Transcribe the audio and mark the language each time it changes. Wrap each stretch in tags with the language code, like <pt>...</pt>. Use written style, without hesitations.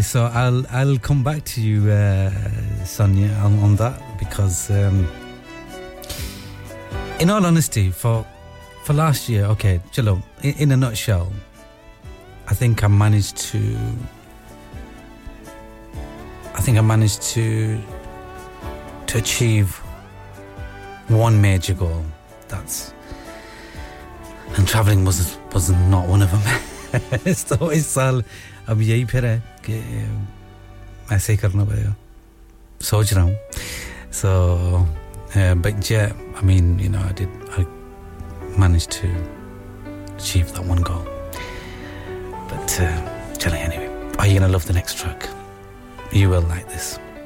<en>So I'll come back to you, Sonia, on that, because in all honesty, for last year, okay, chalo, in a nutshell, I think I managed to to achieve one major goal. That's, and travelling was not one of them.</en> <hi>So इस साल अब यही फिर है कि ऐसे ही करना पड़ेगा. सोच रहा हूँ.</hi> <en>So, but yeah, I mean, you know, I managed to achieve that one goal. But generally, anyway, are you gonna love the next track? You will like this.</en>